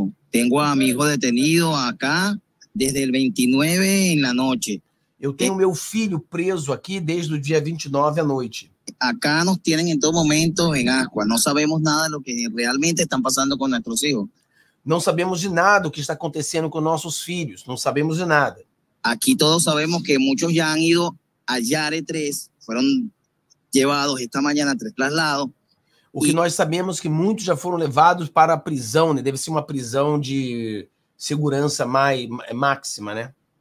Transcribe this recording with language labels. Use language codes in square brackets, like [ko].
[es] Tengo a mi hijo detenido acá desde el 29 en la noche. [pt] Eu tenho meu filho preso aqui desde o dia 29 à noite. [es] Acá nos tienen en todo momento en agua, no sabemos nada de lo que realmente están pasando con nuestros hijos. [pt] Não sabemos de nada o que está acontecendo com nossos filhos. Não sabemos de nada. Aqui todos sabemos que muitos já [es] han ido [pt] a Yare 3. Foram levados esta manhã a 3 traslados. O que nós sabemos que muitos já foram levados para a prisão, né? Deve ser uma prisão de segurança máxima, né?